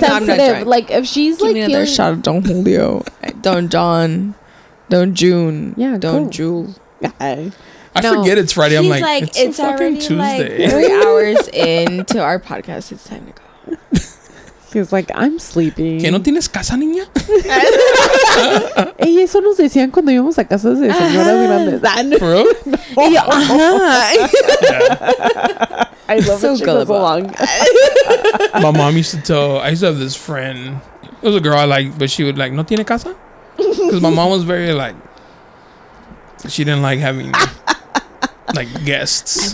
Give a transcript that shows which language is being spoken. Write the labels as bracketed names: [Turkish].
[English] Sensitive. No, like, if she's give like, give me another shot of Don Julio. Don John. Don June. Yeah, Don Jules. I forget it's Friday. I'm like it's a fucking Tuesday. Like, 3 hours into our podcast, it's time to go. He's like, I'm sleeping. [Spanish] ¿Que no tienes casa, niña? Y eso nos decían cuando íbamos a casas de señoras grandes. [English] ¿For real? [Spanish] No. Y yo, ajá. [English] Yeah. I love so that she goes along. My mom used to tell, I used to have this friend. It was a girl I liked, but she would like, [Spanish] ¿no tiene casa? [English] Because my mom was very like, she didn't like having like guests.